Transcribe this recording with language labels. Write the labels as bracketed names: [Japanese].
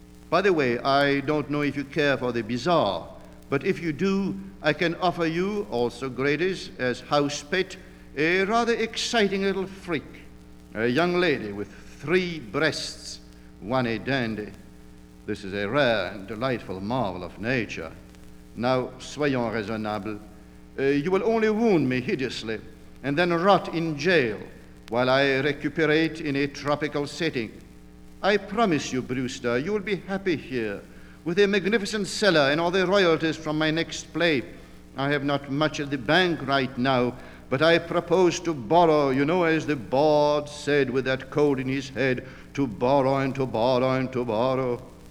[English] By the way, I don't know if you care for the bizarre, but if you do, I can offer you, also greatest, as house pet, a rather exciting little freak, a young lady with three breasts, one a dandy. This is a rare and delightful marvel of nature. Now, [French] soyons raisonnables. [English] You will only wound me hideously and then rot in jail while I recuperate in a tropical setting. I promise you, Brewster, you will be happy here with a magnificent cellar and all the royalties from my next play. I have not much at the bank right now, but I propose to borrow, you know, as the bard said with that cold in his head, to borrow and to borrow and to borrow.